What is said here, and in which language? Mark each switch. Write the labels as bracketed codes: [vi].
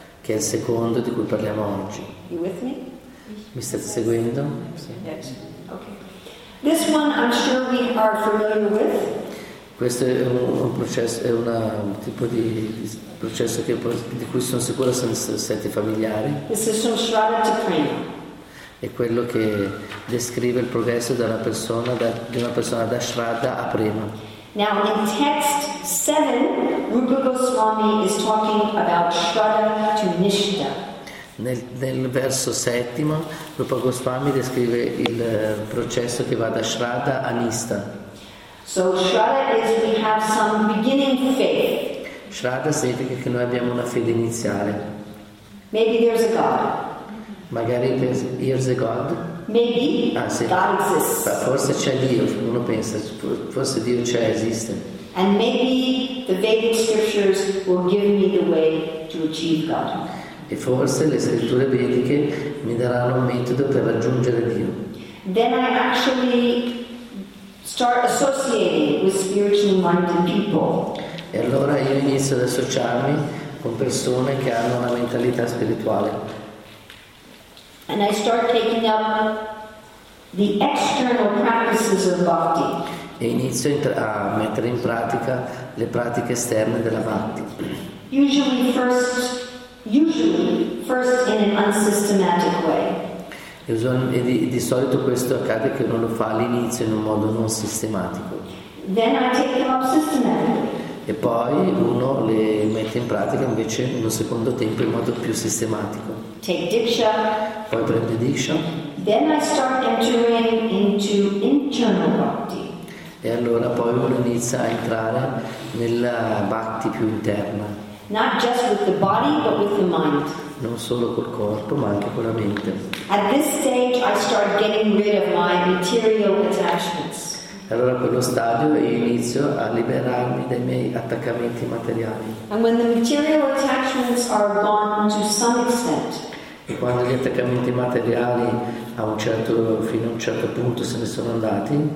[it] Che è il secondo di cui parliamo oggi. [en] You with me? [it] Mi state seguendo? [en] Yes. Okay. This one I'm sure we are familiar with. [it] Questo è un processo, è una, un tipo di processo che, di cui sono sicuro siete familiari. [en] This is from Shraddha to Prema. [it] È quello che descrive il progresso da una persona, di una persona da Shraddha a Prema. [en] Now in text 7 Rupa Goswami is talking about Shraddha to Nishtha. [it] Nel verso 7 Rupa Goswami descrive il processo che va da Shraddha a Nishtha. [en] So Shraddha is we have some beginning faith. [it] Shraddha significa che noi abbiamo una fede iniziale. [en] Maybe there's a God. Magari years ago. Maybe. [it] Ah, sì. [en] God exists. [it] Forse c'è Dio, uno pensa, forse Dio c'è, esiste. [en] And maybe the Vedic scriptures will give me the way to achieve Godhead. [it] E forse le scritture vediche mi daranno un metodo per raggiungere Dio. [en] Then I actually start associating with spiritually minded people. [it] E allora io inizio ad associarmi con persone che hanno una mentalità spirituale. [en] And I start taking up the external practices of bhakti. [it] E inizio a mettere in pratica le pratiche esterne della bhakti. [en] Usually first in an unsystematic way. [it] E di solito questo accade che uno lo fa all'inizio in un modo non sistematico. [en] Then I take them up systematically. [it] E poi uno le mette in pratica invece in un secondo tempo in modo più sistematico. [en] Take diksha. [it] Poi prende diksha. [en] Then I start entering into internal bhakti. [it] E allora poi uno inizia a entrare nella bhakti più interna. [en] Not just with the body, but with the mind. [it] Non solo col corpo, ma anche con la mente. [en] At this stage, I start getting rid of my material attachments. [it] Allora a quello stadio io inizio a liberarmi dai miei attaccamenti materiali. [en] And when the material attachments are gone to some extent. [it] E quando gli attaccamenti materiali fino a un certo punto se ne sono andati.